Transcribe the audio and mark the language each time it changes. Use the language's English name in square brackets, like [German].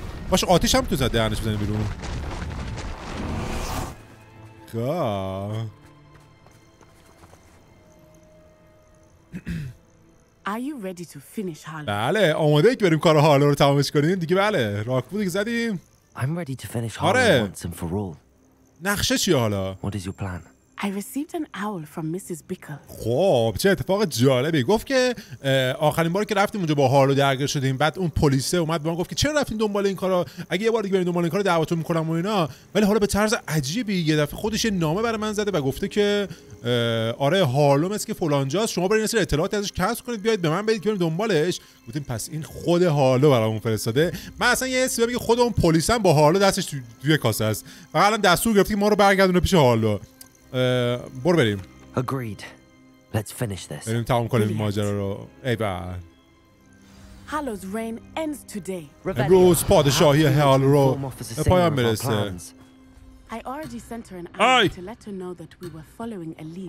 [Persian] باشه آتیش هم تو زد دهنش بزنی بیرون. گو [English] Are you ready to finish Harlow? [Persian] بله آماده ای که بریم کار هارلو رو تمامش کنیم دیگه. بله راک بودی که زدیم. [English] I'm ready to finish Harlow once and for all. [Persian] نقشه چیه حالا؟ [English] What is your plan? I received an owl from Mrs. Bickle. [Persian] خب چه اتفاق جالبی. گفت که آخرین باری که رفتیم اونجا با هارلو درگیر شدیم، بعد اون پلیسه اومد به من گفت که چرا رفتین دنبال این کارا، اگه یه بار دیگه برین دنبال این کارا دعواتون میکنم و اینا. ولی حالا به طرز عجیبی یه دفعه خودش نامه برای من زده و گفته که آره هارلو مثل که فلانجاست، شما برین اصلا اطلاعاتی ازش کسب کنید بیاید به من بدید که بریم دنبالش. گفتیم پس این خود هارلو برامون فرستاده. من اصلا یه حسی میگه خود اون پلیس هم با هارلو دستش توی کاسه است. فقط الان دستور گرفت که ما رو برگردونه پیش هارلو. برو بریم. [English] Agreed. Let's finish this. [Persian] بریم تمام کنیم ماجرا رو. ای بابا. [English] Hallow's reign ends today. [Persian] امروز پادشاهی هارلو رو به پایان میرسه. [English] I already sent her an email to let her know that we were following a lead.